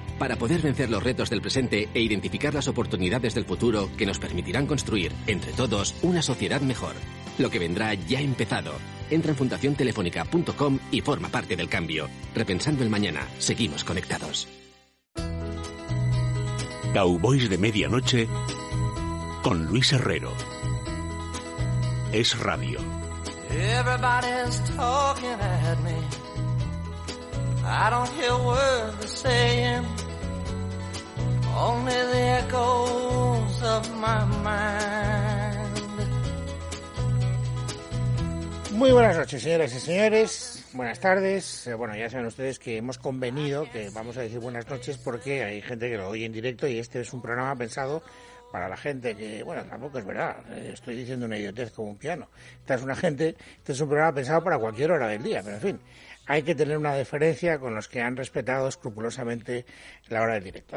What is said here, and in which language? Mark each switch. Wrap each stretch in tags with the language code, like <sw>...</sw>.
<es>Para poder vencer los retos del presente e identificar las oportunidades del futuro que nos permitirán construir, entre todos, una sociedad mejor. Lo que vendrá ya ha empezado. Entra en fundaciontelefónica.com y forma parte del cambio. Repensando el mañana, seguimos conectados. Cowboys de Medianoche con Luis Herrero. Es radio.</es> <en>Everybody's talking at me. I don't hear words they're saying. Only the echoes of my mind.</en> <es>Muy buenas noches, señoras y señores. Buenas tardes. Bueno, ya saben ustedes que hemos convenido que vamos a decir buenas noches porque hay gente que lo oye en directo y este es un programa pensado para la gente que, bueno, tampoco es verdad, estoy diciendo una idiotez como un piano. Este es un programa pensado para cualquier hora del día, pero en fin, hay que tener una deferencia con los que han respetado escrupulosamente la hora del directo.</es>